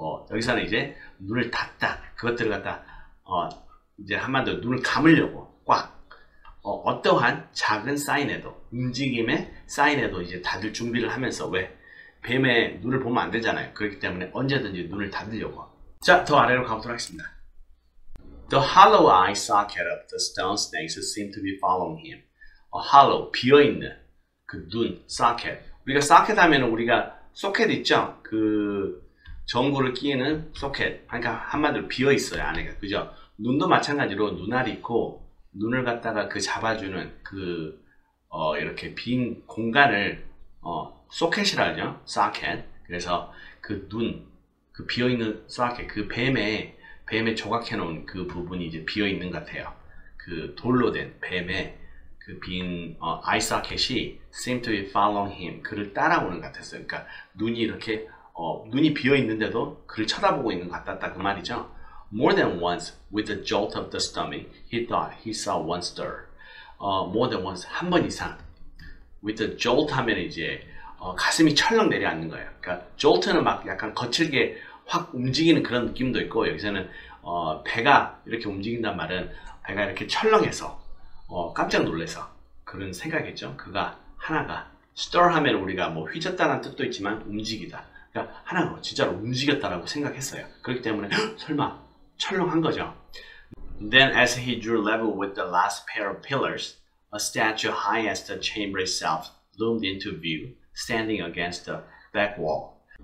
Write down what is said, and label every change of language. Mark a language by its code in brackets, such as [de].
[ko] 여기서는 이제 눈을 닫다. 그것들을 갖다가 이제 한마디로 눈을 감으려고 꽉. 어떠한 작은 사인에도, 움직임의 사인에도 이제 닫을 준비를 하면서 왜? 뱀의 눈을 보면 안 되잖아요. 그렇기 때문에 언제든지 눈을 닫으려고. 자, 더 아래로 가보도록 하겠습니다. [en] The hollow eye socket of the stone snakes seemed to be following him. A hollow, [ko] 비어있는 그 눈, socket. 우리가 socket 하면 우리가 socket 있죠? 그 전구를 끼는 소켓. 그러니까 한마디로 비어 있어요, 안에가. 그죠? 눈도 마찬가지로 눈알이 있고, 눈을 갖다가 그 잡아주는 그, 이렇게 빈 공간을, 소켓이라죠? 소켓. 그래서 그 눈, 그 비어 있는 소켓, 그 뱀에 조각해 놓은 그 부분이 이제 비어 있는 것 같아요. 그 돌로 된 뱀에 그 빈 아이 소켓이 [en] seem to be following him, [ko] 그를 따라오는 것 같았어요. 그러니까 눈이 이렇게 눈이 비어 있는데도 그를 쳐다보고 있는 것 같았다 그 말이죠. [en] More than once, with a jolt of the stomach, he thought he saw one stir. More than once, [ko] 한 번 이상. [en] With a jolt [ko] 하면 이제 가슴이 철렁 내려앉는 거예요. 그러니까 jolt는 막 약간 거칠게 확 움직이는 그런 느낌도 있고, 여기서는 배가 이렇게 움직인단 말은 배가 이렇게 철렁해서 깜짝 놀래서 그런 생각이죠. 그가 하나가 stir 하면 우리가 뭐 휘젓다는 뜻도 있지만 움직이다. 그러니까 하나가 진짜로 움직였다라고 생각했어요. 그렇기 때문에 설마 철렁한 거죠. [en] Then as he drew level with the last pair of pillars, a statue high as the chamber itself loomed into view, standing against the back wall.